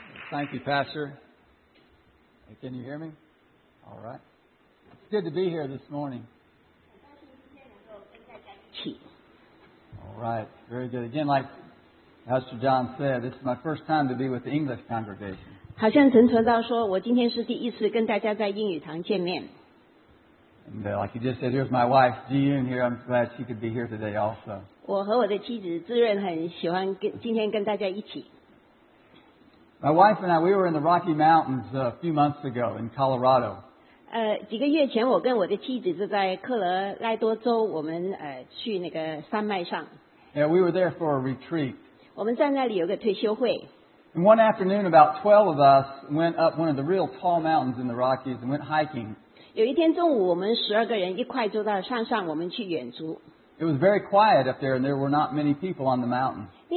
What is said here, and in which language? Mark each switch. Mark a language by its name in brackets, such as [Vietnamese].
[English] Thank you, Pastor. Can you hear me? All right. It's good to be here this morning. All right. Very good. Again, like Pastor John said, this is my first time to be with the English congregation. [Chinese] 好像陈传道说，我今天是第一次跟大家在英语堂见面。 [English] And like you just said, here's my wife, Ji-Yun, here. I'm glad she could be here today also. [Chinese] 我和我的妻子Zi-Ren很喜欢跟今天跟大家一起。 [English] My wife and I, we were in the Rocky Mountains a few months ago in Colorado. [Chinese] 几个月前我跟我的妻子就在科罗拉多州，我们去那个山脉上。 [English] Yeah, we were there for a retreat. [Chinese] 我们在那里有个退休会。 [English] And one afternoon, about 12 of us went up one of the real tall mountains in the Rockies and went hiking. [Chinese] 有一天中午，我们12个人一块坐到山上，我们去远足。 [English] It was very quiet up there, and there were not many people on the mountain.